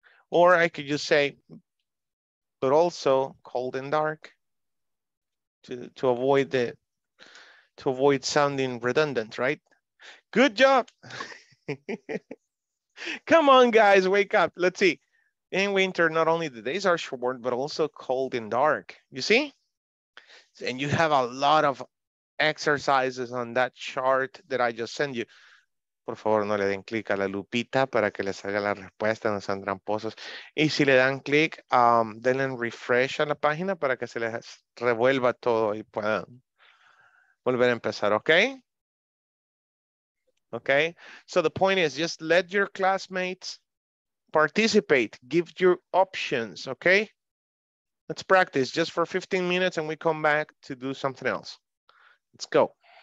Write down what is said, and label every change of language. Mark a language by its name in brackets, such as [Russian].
[English] Or I could just say, but also cold and dark to avoid sounding redundant, right? Good job. Come on, guys, wake up. Let's see. In winter, not only the days are short, but also cold and dark. You see? And you have a lot of exercises on that chart that I just sent you. [Spanish] Por favor, no le den click a la lupita para que le salga la respuesta, no sean tramposos. Y si le dan click, denle refresh a la página para que se les revuelva todo y puedan volver a empezar, okay? [English] Okay, so the point is just let your classmates participate, give your options, okay? Let's practice just for 15 minutes and we come back to do something else. Let's go.